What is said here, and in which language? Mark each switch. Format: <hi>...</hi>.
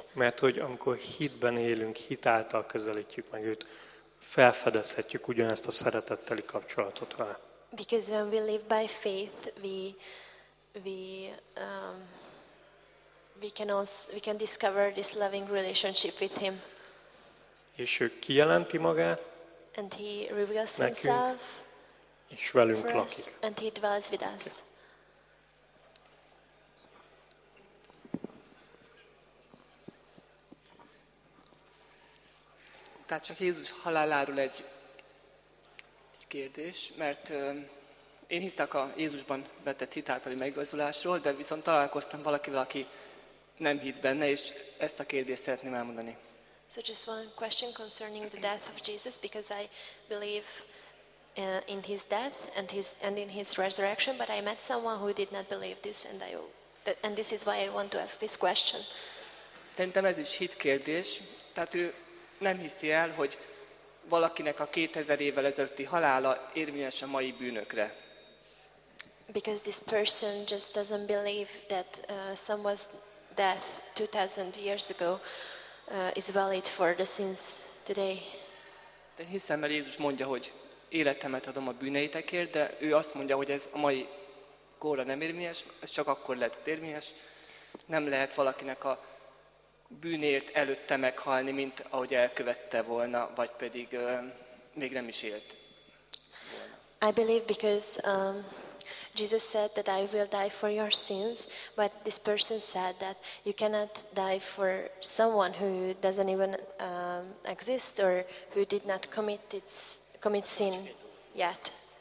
<hu>Mert hogy amikor hitben élünk, hit által közelítjük meg őt, felfedezhetjük ugyanezt a szeretetteli kapcsolatot vele.</hu> <en>Because when we live by faith, we can discover this loving relationship with him.</en> <hu>És ő kijelenti magát.</hu> <en>And he reveals nekünk, himself.</en> <hu>És velünk lakik.</hu> <en>Us, and he dwells with us. Okay.</en> <hu>Tehát csak Jézus haláláról egy kérdés, mert én hiszek a Jézusban vetett hitáltali megigazulásról, de viszont találkoztam valakivel, aki nem hitt benne, és ezt a kérdést szeretném elmondani.</hu> <en>So just one question concerning the death of Jesus, because I believe in his death and in his resurrection, but I met someone who did not believe this, and this is why I want to ask this question.</en> <hu>Szerintem ez is hit kérdés, tehát ő nem hiszi el, hogy valakinek a 2000 évvel ezelőtti halála érvényes a mai bűnökre.</hu> <en>Because this person just doesn't believe that someone's death 2000 years ago is valid for the sins today.</en> <hu>De hiszem, mert Jézus mondja, hogy életemet adom a bűneitekért, de ő azt mondja, hogy ez a mai korra nem érvényes, ez csak akkor lehet érvényes. Nem lehet valakinek a bűnért előtte meghalni, mint ahogy elkövette volna, vagy pedig még nem is élt volna.</hu> <en>I believe because Jesus said that I will die for your sins, but this person said that you cannot die for someone who doesn't even exist or who did not commit sin yet.</en>